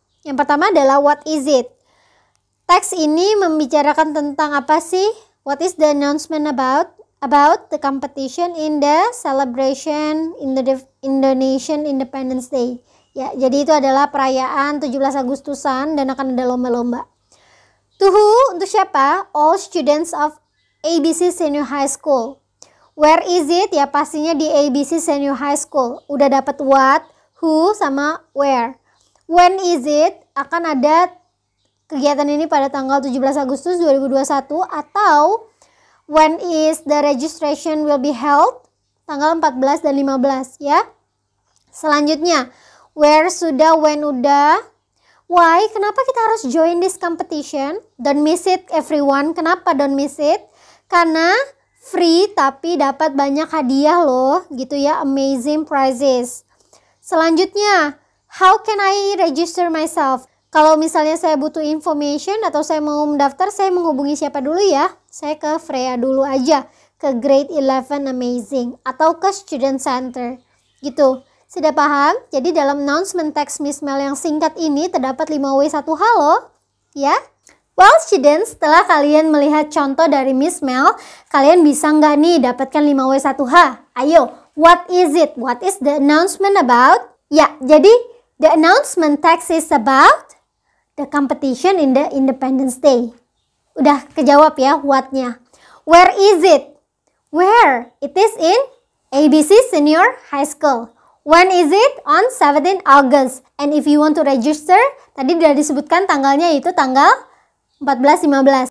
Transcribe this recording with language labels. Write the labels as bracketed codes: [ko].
[id] Yang pertama adalah [en] what is it? [id] Teks ini membicarakan tentang apa sih? [en] What is the announcement about? About the competition in the celebration in the Indonesian Independence Day. [id] Ya, jadi itu adalah perayaan 17 Agustusan dan akan ada lomba-lomba. [en] To who? [id] Untuk siapa? [en] All students of ABC Senior High School. Where is it? [id] Ya, pastinya di ABC Senior High School. Udah dapat what, who, sama where. [en] When is it? [id] Akan ada kegiatan ini pada tanggal 17 Agustus 2021. [en] Atau, when is the registration will be held? [id] Tanggal 14 dan 15, ya. Selanjutnya, where sudah, when udah. Why? Kenapa kita harus [en] join this competition? Don't miss it, everyone. Kenapa don't miss it? [id] Karena free tapi dapat banyak hadiah loh, gitu ya, [en] amazing prizes. Selanjutnya, how can I register myself? [id] Kalau misalnya saya butuh information atau saya mau mendaftar, saya menghubungi siapa dulu ya? Saya ke Freya dulu aja, ke Grade 11 Amazing atau ke Student Center, gitu. Sudah paham? Jadi dalam announcement text Miss Mel yang singkat ini terdapat 5W1H loh, ya? Well, students, setelah kalian melihat contoh dari Miss Mel, kalian bisa nggak nih dapatkan 5W1H? [en] Ayo, what is it? What is the announcement about? [id] Ya, jadi [en] the announcement text is about the competition in the Independence Day. [id] Udah kejawab ya, what-nya. [en] Where is it? Where? It is in ABC Senior High School. When is it? On 17 August. And if you want to register, [id] tadi sudah disebutkan tanggalnya yaitu tanggal 14-15.